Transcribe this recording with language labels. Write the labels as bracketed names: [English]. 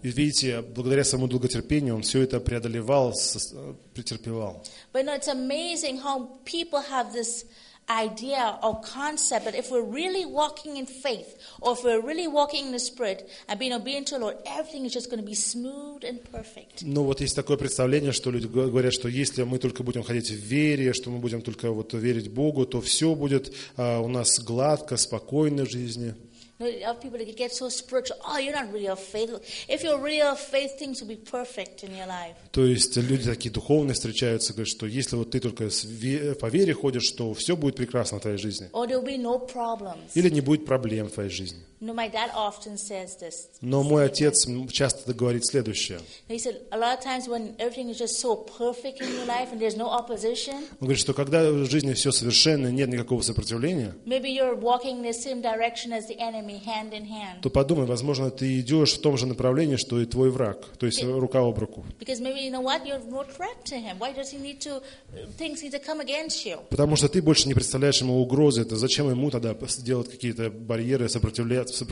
[Russian] И видите, благодаря своему долготерпению он все это преодолевал, претерпевал. [English] But no, it's amazing how people have this idea or concept that if we're really walking in faith, or if we're really walking in the Spirit and being obedient to the Lord, everything is just going to be smooth and perfect. [Russian] Ну вот есть такое представление, что люди говорят, что если мы только будем ходить в вере, что мы будем только вот верить Богу, то все будет у нас гладко, спокойно в жизни. [English] Of people that get so spiritual. Oh, you're not really of faith. If you're really of faith, things will be perfect in your life. [Russian] То есть люди такие духовные встречаются, говорят, что если вот ты только по вере ходишь, то все будет прекрасно в твоей жизни. [English] Or there will be no problems. [Russian] Или не будет проблем в твоей жизни. [English] No, my dad often says this. [Russian] Но мой отец часто говорит следующее. [English] He said a lot of times when everything is just so perfect in your life and there's no opposition. [Russian] Он говорит, что когда в жизни все совершенно, нет никакого сопротивления. [English] Maybe you're walking in the same direction as the enemy, hand in hand. [Russian] То подумай, возможно, ты идешь в том же направлении, что и твой враг, то есть рука об руку. [English] Because maybe you know what, you're more threat to him. Why does he need to things need to come against you? [Russian] Потому что ты больше не представляешь ему угрозы. Это зачем ему тогда делать какие-то барьеры, сопротивления?